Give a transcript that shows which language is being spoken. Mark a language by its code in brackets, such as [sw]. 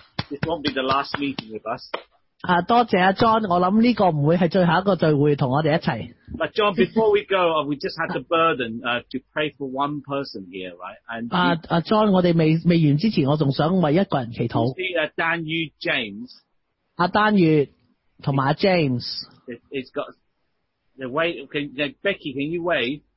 [en] This won't be the last meeting with us. [yue] 多謝啊 John， 我諗呢個唔會係最後一個聚會同我哋一齊。 [en] But John, before we go, we just had the burden to pray for one person here, right? [yue] John， 我哋未完之前，我仲想為一個人祈禱。 [en] Dan Yu James， [yue] Dan Yu 同埋 James。 [en] It's got the wait. Okay, Becky, can you wait?